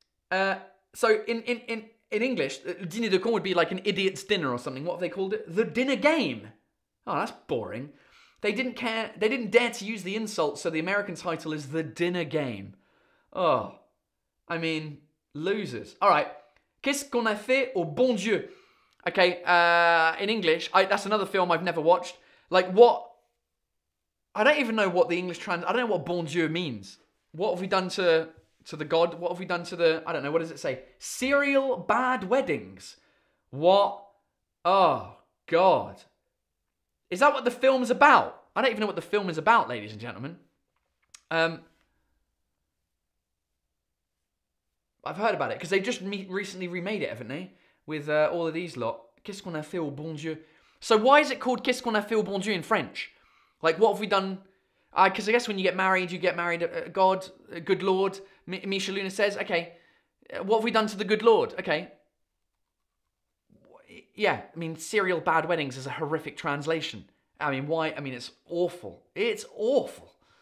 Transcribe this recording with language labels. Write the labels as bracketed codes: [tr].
[en] In English, Dîner de Con would be like an idiot's dinner or something. What have they called it? The Dinner Game. Oh, that's boring. They didn't dare to use the insult, so the American title is The Dinner Game. Oh, I mean, losers. All right. [fr] Qu'est-ce qu'on a fait au bon Dieu? [en] Okay, in English, that's another film I've never watched. Like, what? I don't even know what the English I don't know what bon Dieu means. What have we done to the god? What have we done to the... I don't know. What does it say? Serial bad weddings. What? Oh, God. Is that what the film's about? I don't even know what the film is about, ladies and gentlemen. I've heard about it. Because they just recently remade it, haven't they? With all of these lot. [fr] Qu'est-ce qu'on a fait au bon Dieu? [en] So why is it called Qu'est-ce qu'on a fait au bon Dieu in French? Like, what have we done? Because I guess when you get married to God, good Lord... Misha Luna says, okay, what have we done to the good Lord? Okay. Yeah, I mean, serial bad weddings is a horrific translation. I mean, why? I mean, it's awful. It's awful.